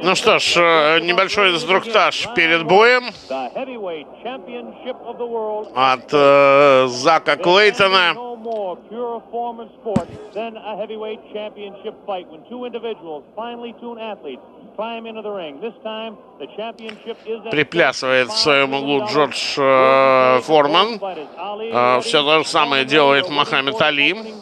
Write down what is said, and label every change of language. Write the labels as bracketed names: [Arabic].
[Russian] Ну что ж, небольшой инструктаж перед боем. [English] The heavyweight championship of the world. [Russian] От Зака Клейтона. [English] No more pure form of sport than a heavyweight championship fight when two individuals, finely tuned athletes. [Russian] Приплясывает в своем углу Джордж Форман. Все то же самое делает Мохаммед Али.